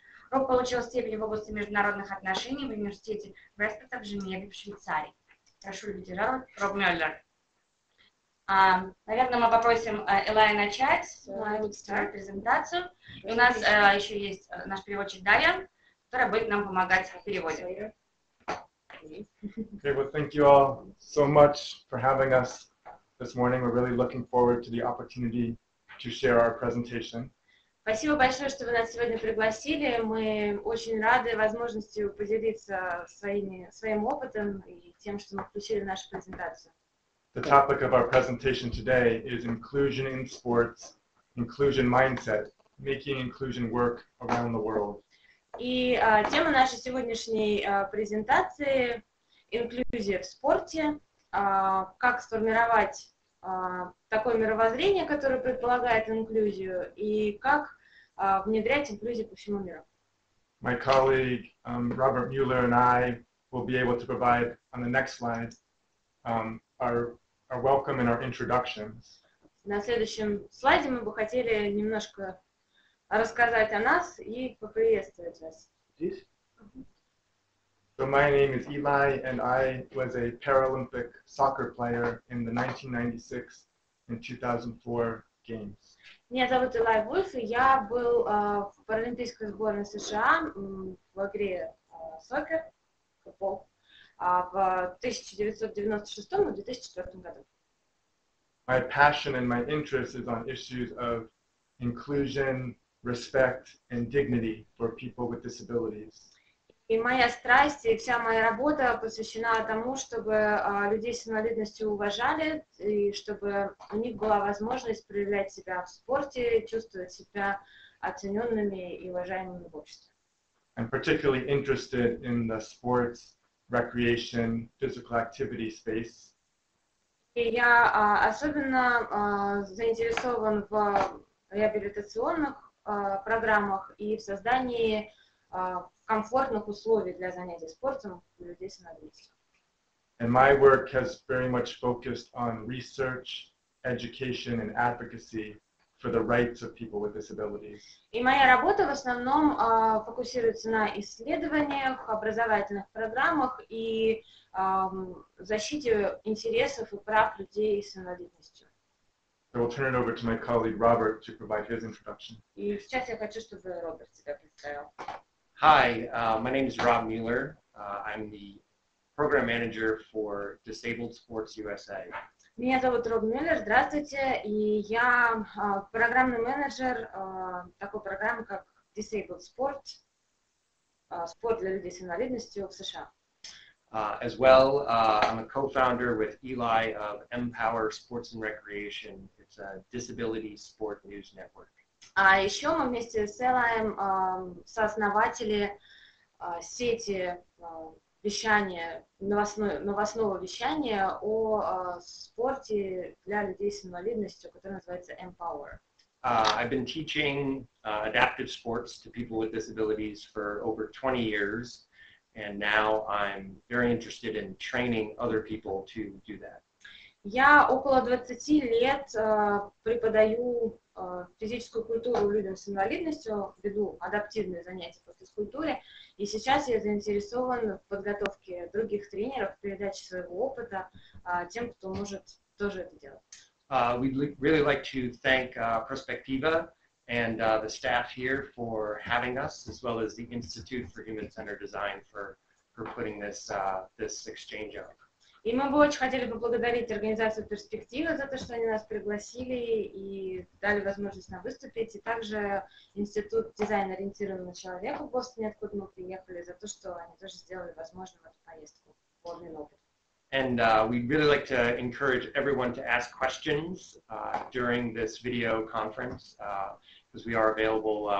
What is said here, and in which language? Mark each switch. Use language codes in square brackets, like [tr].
[ru] Роб получил степень в области международных отношений в университете Вестерта в Женеве, в Швейцарии. Прошу любить и жаловать, Роб Мюллер. Наверное, мы попросим Элай начать свою презентацию. И у нас еще есть наш переводчик Дарья, которая будет нам помогать в переводе. [en] Okay, well, thank you all so much for having us. This morning we're really looking forward to the opportunity to share our presentation. [ru] Спасибо большое, что вы нас сегодня пригласили. Мы очень рады возможности поделиться своим опытом и тем, что мы включили в нашу презентацию. [en] The topic of our presentation today is inclusion in sports, inclusion mindset, making inclusion work around the world. [ru] И тема нашей сегодняшней презентации — инклюзия в спорте. Как сформировать такое мировоззрение, которое предполагает инклюзию, и как внедрять инклюзию по всему миру. [en] My colleague Robert Mueller and I will be able to provide on the next slide our welcome and our introductions. [ru] На следующем слайде мы бы хотели немножко рассказать о нас и поприветствовать вас. [en] So my name is Eli, and I was a Paralympic soccer player in the 1996 and 2004 games. [ru] Меня зовут Илай Вульф, и я был в паралимпийской сборной США в игре soccer, футбол, в 1996 и 2004 году. [en] My passion and my interest is on issues of inclusion, respect, and dignity for people with disabilities. [ru] И моя страсть и вся моя работа посвящена тому, чтобы людей с инвалидностью уважали, и чтобы у них была возможность проявлять себя в спорте, чувствовать себя оцененными и уважаемыми в обществе. [en] I'm particularly interested in the sports, recreation, physical activity space. [ru] И я особенно заинтересован в реабилитационных программах и в создании комфортных условий для занятий спортом у людей с инвалидностью. [en] And my work has very much focused on research, education, and advocacy for the rights of people with disabilities. [ru] И моя работа в основном фокусируется на исследованиях, образовательных программах и защите интересов и прав людей с инвалидностью. [en] I will turn it over to my colleague Robert to provide his introduction. [ru] И сейчас я хочу, чтобы Роберт себя представил. [en] Hi, my name is Rob Mueller. I'm the program manager for Disabled Sports USA. [ru] Меня зовут Роб Мюллер, здравствуйте, и я программный менеджер такой программы, как Disabled Sport, спорт для людей с инвалидностью в США. [en] As well, I'm a co-founder with Илай of Empower Sports and Recreation. It's a disability sport news network. [ru] А еще мы вместе с Илаем сооснователи сети вещание новостного вещания о спорте для людей с инвалидностью, которое называется Empower. [en] I've been teaching adaptive sports to people with disabilities for over 20 years, and now I'm very interested in training other people to do that. [ru] Я около 20 лет преподаю физическую культуру людям с инвалидностью, веду адаптивные занятия по физкультуре, и сейчас я заинтересован в подготовке других тренеров, передаче своего опыта тем, кто может тоже это делать. [en] We'd really like to thank Perspectiva and the staff here for having us, as well as the Institute for Human-Centered Design for putting this, this exchange up. [ru] И мы бы очень хотели поблагодарить организацию «Перспектива» за то, что они нас пригласили и дали возможность нам выступить, и также Институт дизайна ориентированного человека в Бостоне, откуда мы приехали, за то, что они тоже сделали возможным эту поездку, полный опыт. [en] And we'd really like to encourage everyone to ask questions during this video conference, because we are available.